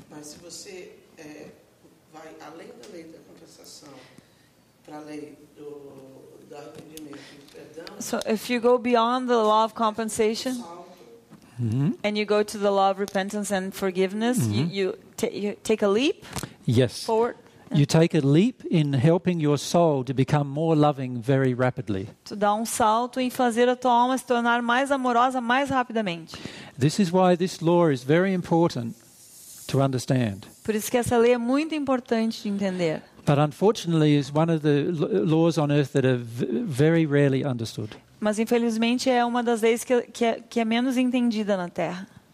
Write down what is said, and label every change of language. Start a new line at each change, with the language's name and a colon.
Portuguese: Mas se você vai além da lei da compensação para a lei do arrependimento e do perdão.
English: So if you go beyond the law of compensation, mm-hmm. and you go to the law of repentance and forgiveness, mm-hmm. you take a leap. Yes. Forward. You take a leap in helping your soul to become more loving very rapidly.
Portuguese: Tu dá salto em fazer a tua alma se tornar mais amorosa mais rapidamente.
English: This is why this law is very important to understand.
Portuguese: Por isso que essa lei é muito importante de entender.
English: But unfortunately, it's one of the laws on earth that are very rarely understood.
Portuguese: Mas infelizmente é uma das leis que é menos entendida na Terra.